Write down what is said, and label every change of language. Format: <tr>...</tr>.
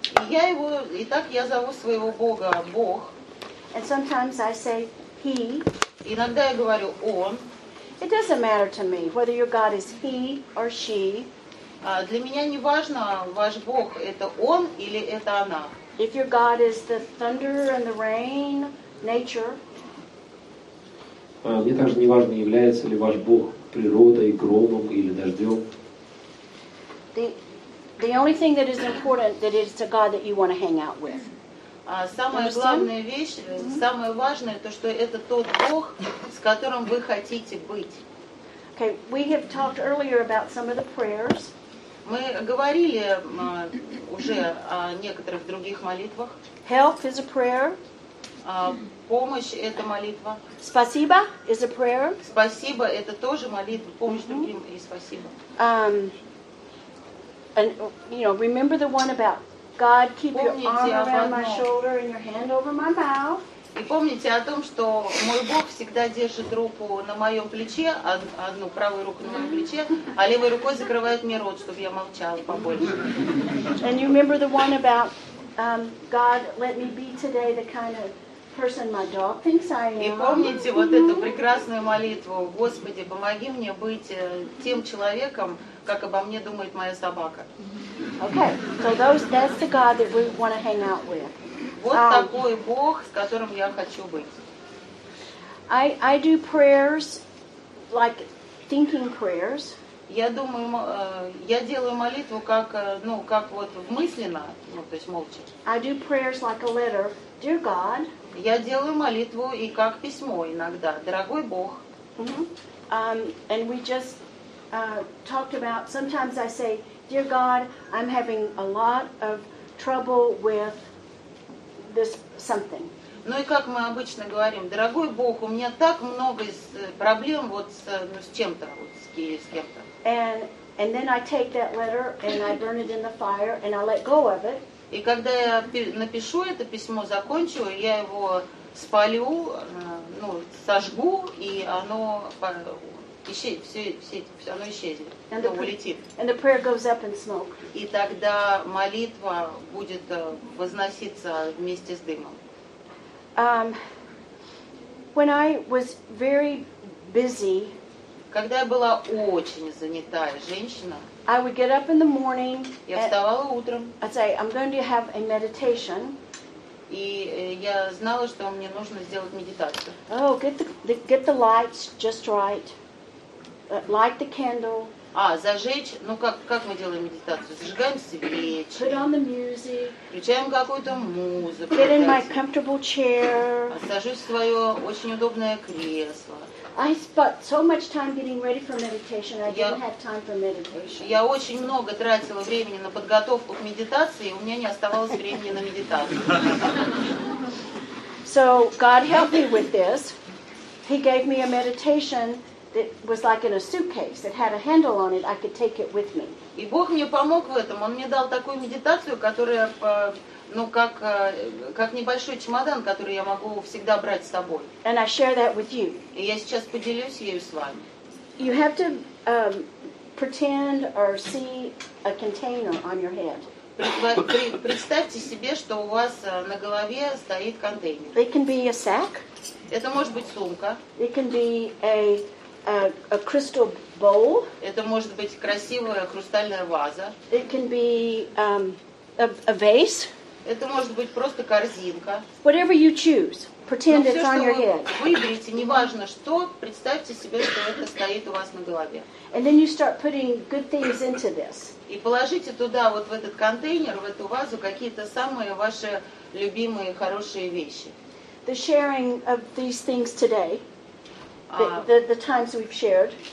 <ru>Я зову своего Бога Бог.</ru> <en>And sometimes I say He.</en> <ru>Иногда я говорю Он.</ru> <en>It doesn't matter to me whether your God is He or She.</en> <ru>Для меня не важно, ваш Бог это Он или это она.</ru> <en>If your God is the thunder and the rain, nature.</en> <ru>Мне также не важно, является ли ваш Бог природой, громом или дождем.</ru> <en>The only thing that is important that it's a God that you want to hang out with.</en> <ru>Самая главная вещь, mm-hmm. самое важное то, что это тот Бог, с которым вы хотите быть.</ru> <en>Okay, we have talked earlier about some of the prayers.</en> <ru>Мы говорили уже о некоторых других молитвах.</ru> <en>Help is a prayer.</en> <ru>Помощь это молитва.</ru> <en>Спасибо is a prayer.</en> <ru>Спасибо это тоже молитва, помощь mm-hmm. другим и спасибо.</ru> <en>And you know, remember the one about God keep your arm around my shoulder and your hand over my mouth.</en> <ru>И помните о том, что мой Бог всегда держит руку на моем плече, одну правую руку на моем плече, а левой рукой закрывает мне рот, чтобы я молчала побольше.</ru> <en>And you remember the one about God let me be today the kind of person my dog thinks I am.</en> <ru>И помните вот эту прекрасную молитву: Господи, помоги мне быть тем человеком, как обо мне думает моя собака.</ru> <en>Okay, so that's the God that we want to hang out with.</en> <ru>Вот такой Бог, с которым я хочу быть.</ru> <en>I do prayers, like thinking prayers.</en> <ru>Я думаю, я делаю молитву как, ну, как вот мысленно, ну, то есть молча.</ru> <en>I do prayers like a letter, dear God.</en> <ru>Я делаю молитву и как письмо иногда, дорогой Бог. Mm-hmm.</ru> <en>And we just talked about, sometimes I say, dear God, I'm having a lot of trouble with this something.</en> <ru>Ну и как мы обычно говорим, дорогой Бог, у меня так много проблем вот с, ну, с чем-то, вот с кем-то.</ru> <en>And then I take that letter and I burn it in the fire and I let go of it.</en> <ru>И когда я напишу это письмо, закончу, я его спалю, ну, сожгу, и оно исчезнет, оно улетит.</ru> <en>And the prayer goes up in smoke.</en> <ru>И тогда молитва будет возноситься вместе с дымом.</ru> <en>When I was very busy,</en> <ru>когда я была очень занятая женщина,</ru> <en>I would get up in the morning.</en> <ru>Я вставала утром.</ru> <en>I'd say, I'm going to have a meditation.</en> <ru>И я знала, что мне нужно сделать медитацию.</ru> <en>Oh, get the lights just right. Light the candle.</en> <ru>А, зажечь, ну как мы делаем медитацию? Зажигаем свечи.</ru> <en>Put on the music.</en> <ru>Включаем какую-то музыку.</ru> <en>Get in my comfortable chair.</en> <ru>Сажусь в свое очень удобное кресло.</ru> <en>I spent so much time getting ready for meditation. I didn't have time for meditation.</en> <ru>Я очень много тратила времени на подготовку к медитации, и у меня не оставалось времени на медитацию.</ru> <en>So God helped me with this. He gave me a meditation that was like in a suitcase. It had a handle on it. I could take it with me.</en> <ru>И Бог мне помог в этом. Он мне дал такую медитацию, которая, ну как небольшой чемодан, который я могу всегда брать с собой.</ru> <en>And I share that with you.</en> <ru>И я сейчас поделюсь ею с вами.</ru> <en>You have to pretend or see a container on your head.</en> <ru>Представьте себе, что у вас на голове стоит контейнер.</ru> <en>It can be a sack.</en> <ru>Это может быть сумка.</ru> <en>It can be a crystal bowl.</en> <ru>Это может быть красивая хрустальная ваза.</ru> <en>It can be a vase.</en> <ru>Это может быть просто корзинка.</ru> <en>Whatever you choose, pretend it's on your head.</en> <ru>Выберите, неважно что, представьте себе, что это стоит у вас на голове.</ru> <en>And then you start putting good things into this.</en> <ru>И положите туда, вот в этот контейнер, в эту вазу, какие-то самые ваши любимые, хорошие вещи.</ru> <en>The sharing of these things today, the times we've shared.</en>